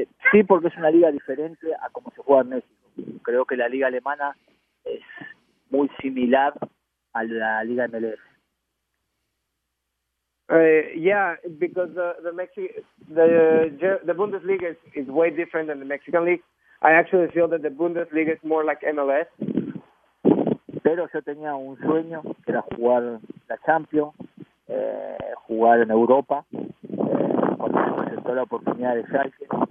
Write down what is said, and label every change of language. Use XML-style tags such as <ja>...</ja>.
<es>Sí, porque es una liga diferente a como se juega en México. Creo que la liga alemana es muy similar a la liga MLS.</es> <en>Because the Bundesliga is way different than the Mexican League. I actually feel that the Bundesliga is more like MLS.</en> <es>Pero yo tenía un sueño, que era jugar la Champions, jugar en Europa. La oportunidad de Schalke.</es>